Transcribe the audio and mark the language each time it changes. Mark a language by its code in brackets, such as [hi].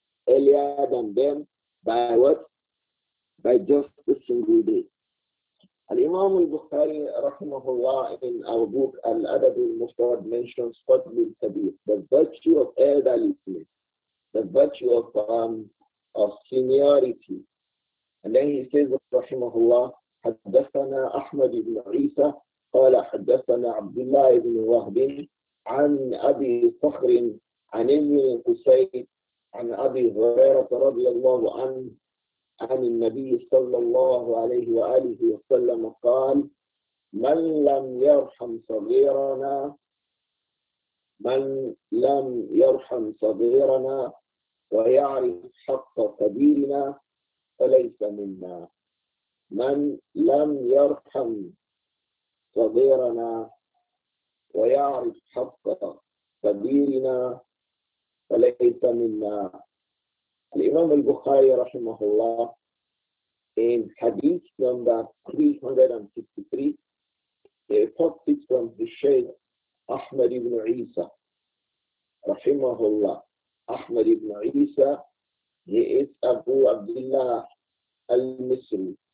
[en] Earlier than them by what? By just a single day. Al-Imam al-Bukhari, rahimahullah, in our book, Al-Adab al-Mufrad, mentions what will be the virtue of elderliness, the virtue of seniority. And then he says, [ar] rahimahullah, حدثنا أحمد بن عيسى قال حدثنا عبد الله بن وهب عن أبي صخر عن ابن قسي عن أبي هريرة رضي الله عنه عن النبي صلى الله عليه وآله وسلم قال من لم يرحم صغيرنا من لم يرحم صغيرنا ويعرف حق كبيرنا فليس منا. من لم يرحم صغيرنا ويعرف حق كبيرنا فليس منا. [en] الإمام البخاري رحمه الله in hadith number 363 quotes it from the Shaykh Ahmad ibn Isa رحمه الله. Ahmad ibn Isa, he is Abu Abdullah al-Misri.